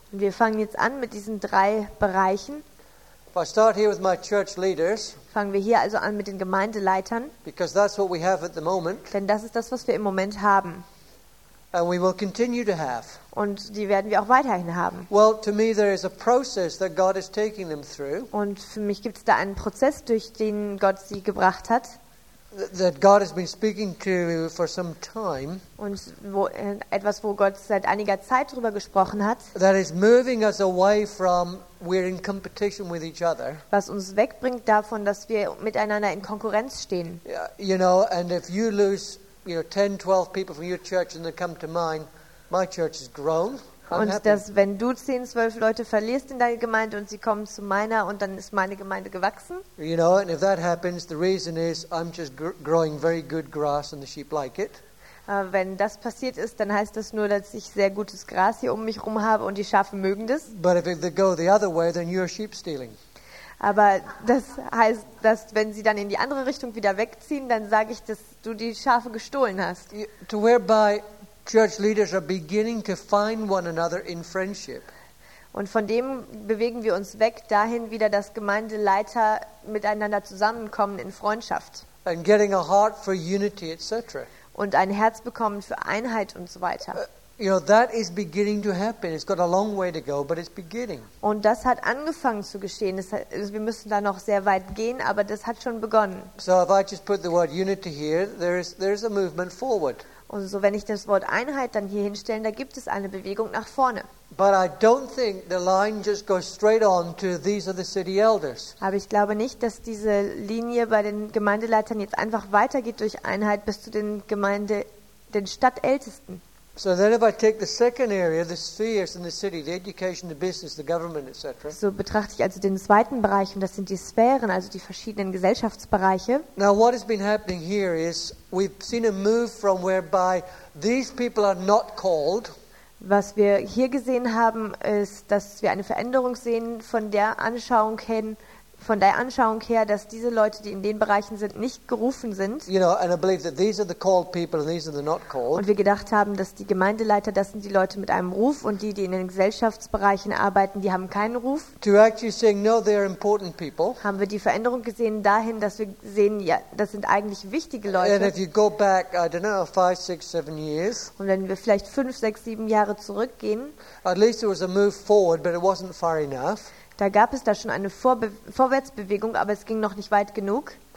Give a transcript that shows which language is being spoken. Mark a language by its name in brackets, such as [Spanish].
[German] Und wir fangen jetzt an mit diesen drei Bereichen. [English] I start here with my church leaders. [German] Fangen wir hier also an mit den Gemeindeleitern. [English] Because that's what we have at the moment. [German] Denn das ist das, was wir im Moment haben. [English] And we will continue to have. [German] Und die werden wir auch weiterhin haben. [English] Well, to me there is a process that God is taking them through. [German] Und für mich gibt es da einen Prozess, durch den Gott sie gebracht hat. [English] That God has been speaking to for some time. [German] Und wo Gott seit einiger Zeit drüber gesprochen hat. [English] That is moving us away from we're in competition with each other. [German] Was uns wegbringt davon, dass wir miteinander in Konkurrenz stehen. [English] Yeah, you know, and if you lose, you know, 10, 12 people from your church and they come to mine, my church has grown. [German] Und dass wenn du 10, 12 Leute verlierst in deine Gemeinde und sie kommen zu meiner und dann ist meine Gemeinde gewachsen. [English] You know, and if that happens, the reason is I'm just growing very good grass and the sheep like it. [German] Wenn das passiert ist, dann heißt das nur, dass ich sehr gutes Gras hier um mich rum habe und die Schafe mögen das. [English] But if they go the other way, then you're sheep stealing. [German] Aber das heißt, dass wenn sie dann in die andere Richtung wieder wegziehen, dann sage ich, dass du die Schafe gestohlen hast. [English] To whereby church leaders are beginning to find one another in friendship. [German] Und von dem bewegen wir uns weg dahin wieder, dass Gemeindeleiter miteinander zusammenkommen in Freundschaft. [English] and getting a heart for unity, etc. [German] Und ein Herz bekommen für Einheit und so weiter. [English] You know, that is beginning to happen. It's got a long way to go, but it's beginning. [German] Und das hat angefangen zu geschehen. Wir müssen da noch sehr weit gehen, aber das hat schon begonnen. [English] So if I just put the word unity here, there is a movement forward. [German] Und so, wenn ich das Wort Einheit dann hier hinstellen, da gibt es eine Bewegung nach vorne. [English] But I don't think the line just goes straight on to these are the city elders. [German] Aber ich glaube nicht, dass diese Linie bei den Gemeindeleitern jetzt einfach weitergeht durch Einheit bis zu den Stadtältesten. [English] So then if I take the second area, the spheres in the city, the education, the business, the government, etc. [German] So betrachte ich also den zweiten Bereich, und das sind die Sphären, also die verschiedenen Gesellschaftsbereiche. [English] Now what has been happening here is we've seen a move from whereby these people are not called. [German] Was wir hier gesehen haben, ist, dass wir eine Veränderung sehen von der Anschauung her, dass diese Leute, die in den Bereichen sind, nicht gerufen sind. Und wir gedacht haben, dass die Gemeindeleiter, das sind die Leute mit einem Ruf, und die, die in den Gesellschaftsbereichen arbeiten, die haben keinen Ruf. [English] To actually saying, no, they are important people. [German] Haben wir die Veränderung gesehen dahin, dass wir sehen, ja, das sind eigentlich wichtige Leute. [English] And if you go back, I don't know, 5, 6, 7 years. [German] Und wenn wir vielleicht 5, 6, 7 Jahre zurückgehen. [English] At least there was a move forward, but it wasn't far enough. [German] Da gab es da schon eine Vorwärtsbewegung, aber es ging noch nicht weit genug.